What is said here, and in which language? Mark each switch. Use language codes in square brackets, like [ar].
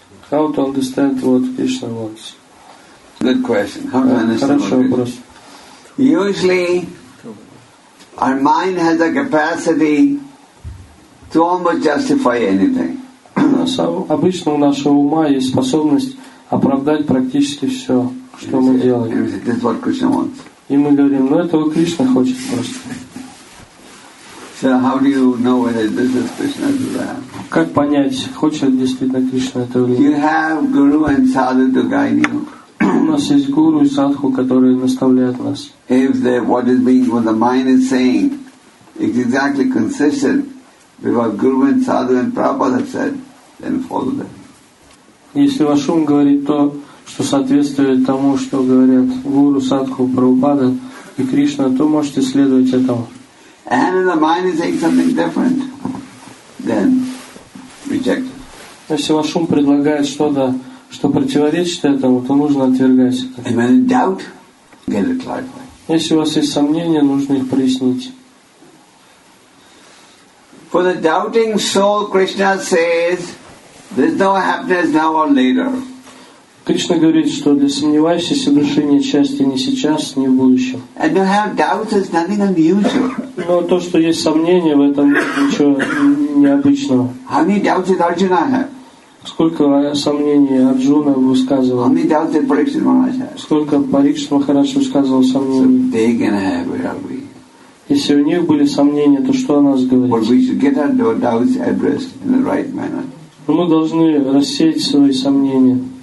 [en] How to understand what Krishna wants? Good question. How to understand what Krishna wants? Usually, our mind has the capacity to almost justify anything. [ru] Обычно у нашего ума есть способность оправдать практически все, что мы делаем. [en] This is what Krishna wants. [ru] И мы говорим, ну этого Кришна хочет просто. [en] So how do you know whether this is Krishna's desire? [ru] Как понять, хочет действительно Кришна это или нет? [en] You have guru and sadhu to guide you. [ru] У нас есть гуру и садху, которые наставляют нас. [en] If the what is being what the mind is saying is exactly consistent with what guru and sadhu and Prabhupada have said, then follow them. [ru] Если ваш ум говорит то, что соответствует тому, что говорят гуру, садху, Прабхупада и Кришна, то можете следовать этому. [en] And if the mind is saying something different, then reject it. [ru] Если ваш ум предлагает что-то, что противоречит этому, то нужно отвергать это. [en] And when in doubt, get it clarified. [ru] Если у вас есть сомнения, нужно их прояснить. [en] For the doubting soul, Krishna says, there's no happiness now or later. [ru] Кришна говорит, что для сомневающейся души нет счастья ни сейчас, ни в будущем. [en] And to have doubts is nothing unusual. [ru] Но то, что есть сомнения, в этом ничего необычного. [en] How many doubts did Arjuna have? [ru] Сколько сомнений Арджуна высказывал? [en] How many doubts did Parikshit Maharaj have? [ru] Сколько Парикшит Махарадж высказывал сомнений? [en] So they can have, where are we? [ru] Если у них были сомнения, то что о нас говорить? [en] But we should get our doubts addressed in the right manner. [ru] Мы должны рассеять свои сомнения.